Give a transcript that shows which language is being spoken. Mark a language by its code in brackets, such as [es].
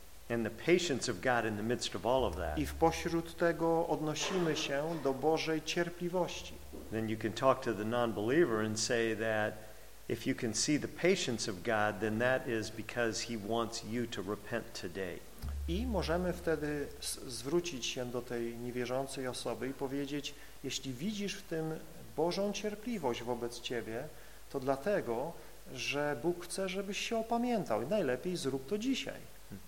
[en] and the patience of God in the midst of all of that, [pl] i w pośród tego odnosimy się do Bożej cierpliwości, [en] then you can talk to the non-believer and say that if you can see the patience of God, then that is because he wants you to repent today. [pl] I możemy wtedy zwrócić się do tej niewierzącej osoby i powiedzieć, jeśli widzisz w tym Bożą cierpliwość wobec ciebie, to dlatego, że Bóg chce, żebyś się opamiętał. I najlepiej zrób to dzisiaj.